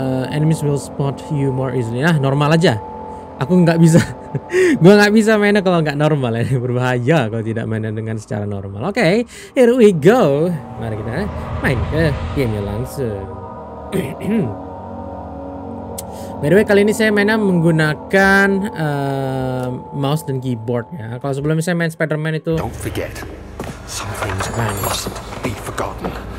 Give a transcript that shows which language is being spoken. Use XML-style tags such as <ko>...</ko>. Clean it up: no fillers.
<en>Enemies will spot you more easily.</en> <id>Nah, normal aja. Aku nggak bisa, gua nggak bisa mainnya kalau nggak normal ya, berbahaya kalau tidak mainnya dengan secara normal. Oke, okay,</id> <en>here we go.</en> <id>Mari kita main ke game-nya langsung.</id> <en>By the way,</en> <id>kali ini saya mainnya menggunakan mouse dan keyboard ya. Kalau sebelumnya saya main Spider-Man itu.</id> <en>Don't forget, some things mustn't be forgotten.</en>